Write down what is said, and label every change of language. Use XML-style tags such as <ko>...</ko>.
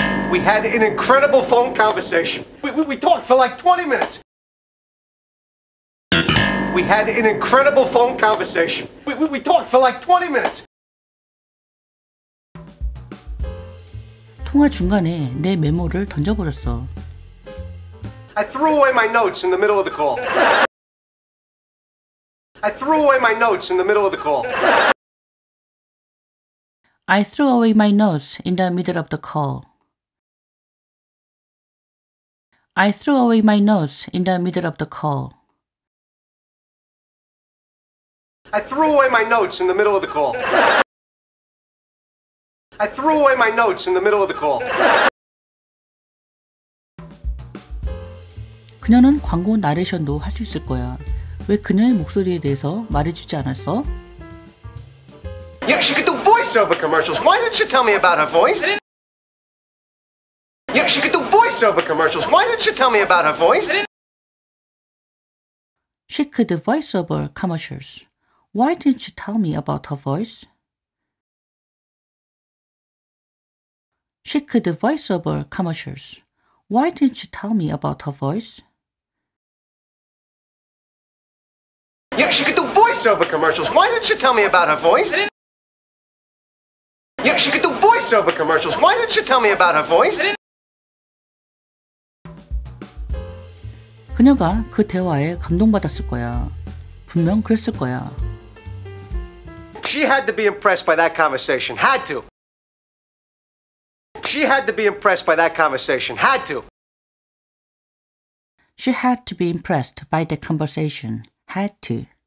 <en>We had an incredible phone conversation. We talked for like 20 minutes. We had an incredible phone conversation. We talked for like 20 minutes.</en> <ko>통화 중간에 내 메모를 던져버렸어.</ko> <en>I threw away my notes in the middle of the call. I threw away my notes in the middle of the call. I threw away my notes in the middle of the call. I threw away my notes in the middle of the call. I threw away my notes in the middle of the call. I threw away my notes in the middle of the call.</en> <ko>그녀는 광고 나레이션도 할 수 있을 거야. 왜 그녀의 목소리에 대해서 말해주지 않았어?</ko> <en>Yeah, she could do voiceover commercials. Why didn't she tell me about her voice? Yeah, she could do voiceover commercials. Why didn't she tell me about her voice? She could voiceover commercials. Why didn't she tell me about her voice? She could voiceover commercials. Why didn't she tell me about her voice? Yeah, she could do voiceover commercials. Why didn't she tell me about her voice? Yeah, she could do voiceover commercials. Why didn't she tell me about her voice?</en> <ko>그녀가 그 대화에 감동받았을 거야. 분명 그랬을 거야.</ko> <en>She had to be impressed by that conversation. Had to. She had to be impressed by that conversation. Had to. She had to be impressed by the conversation. Had to.</en>